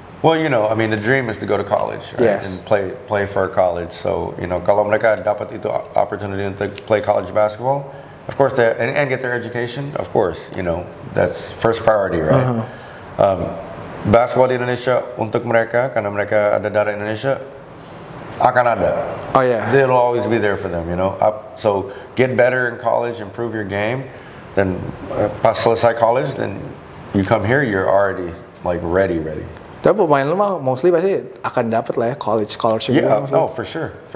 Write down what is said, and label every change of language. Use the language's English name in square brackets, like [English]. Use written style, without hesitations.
[English] Well, you know, I mean the dream is to go to college, right? Yes. And play for college. So, you know, [Indonesian] kalau mereka dapat itu [English] opportunity untuk play college basketball, of course they and get their education, of course, you know, that's first priority, right? Uh-huh. [Indonesian] Basketball di Indonesia untuk mereka karena mereka ada darah Indonesia. Akan ada. [English] Oh yeah. They'll always be there for them, you know. So get better in college, improve your game, then [Indonesian] pas selesai [English] college, then you come here, you're already like ready. [Indonesian] Tapi pemain lu mostly pasti akan dapat lah ya college scholarship. [English] Yeah, no, for sure.